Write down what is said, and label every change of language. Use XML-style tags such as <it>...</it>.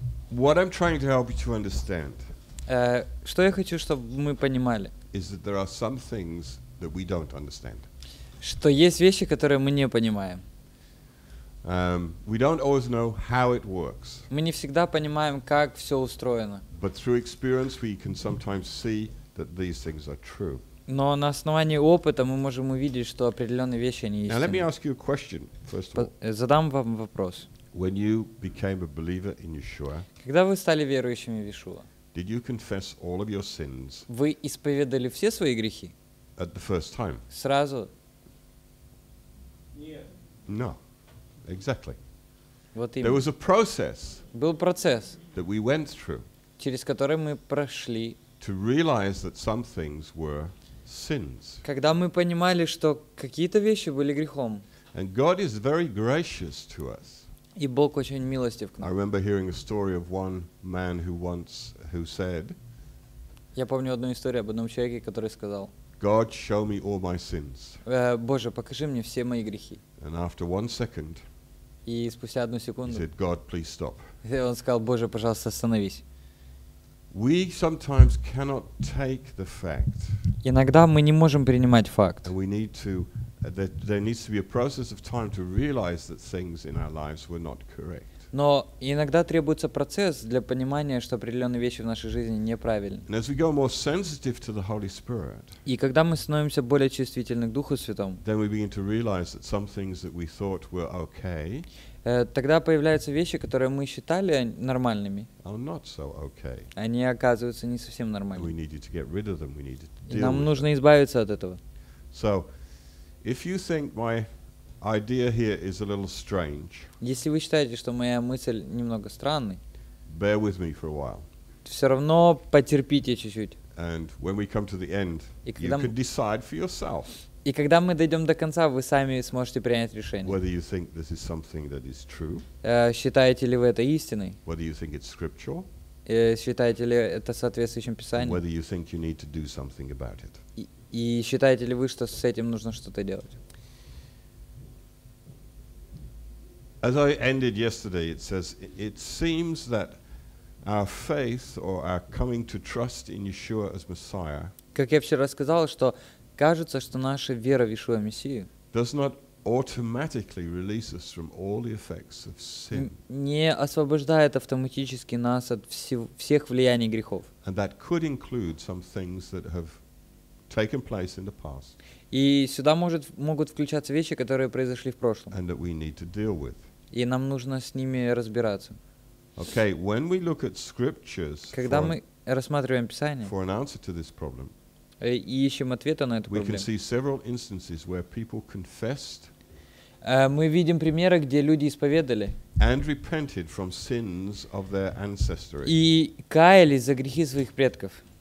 <en>What I'm trying to help you to understand.</en> <ru>Что я хочу, чтобы мы понимали.</ru> <en>Is that there are some things that we don't understand.</en> <ru>Что есть вещи, которые мы не понимаем.</ru> <en>We don't always know how it works.</en> <ru>Мы не всегда понимаем, как все устроено.</ru> <en>But through experience, we can sometimes see that these things are true.</en> <ru>Но на основании опыта мы можем увидеть, что определенные вещи они истинны.</ru> <en>Now let me ask you a question first of all.</en> <ru>Задам вам вопрос.</ru> <en>When you became a believer in Yeshua,</en> <ru>когда вы стали верующими в Иешуа,</ru> <en>did you confess all of your sins?</en> <ru>Вы исповедали все свои грехи?</ru> <en>At the first time.</en> <ru>Сразу? Нет.</ru> <en>No. Exactly.</en> <ru>Вот</ru> <en>there was a process.</en> <ru>Был процесс.</ru> <en>That we went through.</en> <ru>Через который мы прошли.</ru> <en>To realize that some things were sins.</en> <ru>Когда мы понимали, что какие-то вещи были грехом.</ru> <en>And God is very gracious to us.</en> <ru>И Бог очень милостив к нам.</ru> <en>I remember hearing a story of one man who said.</en> <ru>Я помню одну историю об одном человеке, который сказал.</ru> <en>God, show me all my sins.</en> <ru>Боже, покажи мне все мои грехи.</ru> <en>And after 1 second.</en> <ru>И спустя одну секунду.</ru> <en>He said, God, please stop.</en> <ru>Он сказал, Боже, пожалуйста, остановись.</ru> <en>We sometimes cannot take the fact.</en> <ru>Иногда мы не можем принимать факт.</ru> <en>And we need to there needs to be a process of time to realize that things in our lives were not correct.</en> <ru>Но иногда требуется процесс для понимания, что определенные вещи в нашей жизни неправильны. И когда мы становимся более чувствительны к Духу Святому, тогда появляются вещи, которые мы считали нормальными. Они оказываются не совсем нормальными. И нам нужно избавиться от этого.</ru> <en>So, if you think my idea here is a little strange.</en> <ru>Если вы считаете, что моя мысль немного странная,</ru> <en>bear with me for a while.</en> <ru>Все равно потерпите чуть-чуть.</ru> <en>And when we come to the end, you can decide for yourself.</en> <ru>И когда мы дойдем до конца, вы сами сможете принять решение.</ru> <en>Whether you think this is something that is true.</en> <ru>Считаете ли вы это истиной?</ru> <en>Whether you think it's scriptural.</en> <ru>Считаете ли это соответствующим писанием?</ru> <en>Whether you think you need to do something about it.</en> <ru>И считаете ли вы, что с этим нужно что-то делать?</ru> <en>As I ended yesterday, it says, it seems that our faith or our coming to trust in Yeshua as Messiah,</en> <ru>как я вчера сказал, что кажется, что наша вера в Иешуа Мессию</ru> <en>does not automatically release us from all the effects of sin.</en> <ru>Не освобождает автоматически нас от всех влияний грехов.</ru> <en>And that could include some things that have taken place in the past.</en> <ru>И сюда могут включаться вещи, которые произошли в прошлом.</ru> <en>And that we need to deal with.</en> <ru>И нам нужно с ними разбираться.</ru> <en>Okay, when we look at scriptures,</en> <ru>когда мы рассматриваем Писание,</ru> <en>for an answer to this problem,</en> <ru>и ищем ответы на эту проблему,</ru> <en>we can see several instances where people confessed,</en> <ru>мы видим примеры, где люди исповедали</ru> <en>and repented from sins of their ancestry.</en> <ru>И каялись за грехи своих предков.</ru>